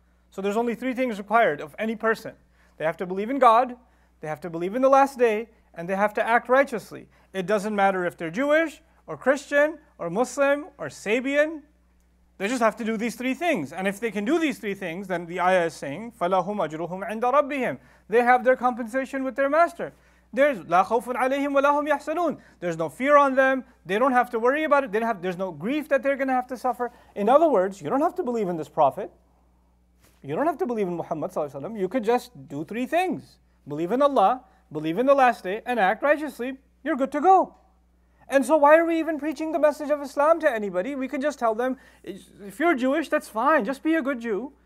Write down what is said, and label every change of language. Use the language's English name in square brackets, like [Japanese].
[English] So there's only three things required of any person. They have to believe in God, they have to believe in the last day, and they have to act righteously. It doesn't matter if they're Jewish or Christian or Muslim or Sabian. They just have to do these three things. And if they can do these three things, then the ayah is saying, [Arabic] فَلَهُمْ أَجْرُهُمْ عِنْدَ رَبِّهِمْ. [English] They have their compensation with their master. There's [Arabic] لا خوف عليهم ولا هم يحزنون. [English] There's no fear on them. They don't have to worry about it. They don't have, there's no grief that they're going to have to suffer. In other words, you don't have to believe in this prophet. You don't have to believe in Muhammad sallallahu alaihi wasallam. You could just do three things. Believe in Allah, believe in the last day, and act righteously. You're good to go. And so why are we even preaching the message of Islam to anybody? We could just tell them, if you're Jewish, that's fine. Just be a good Jew.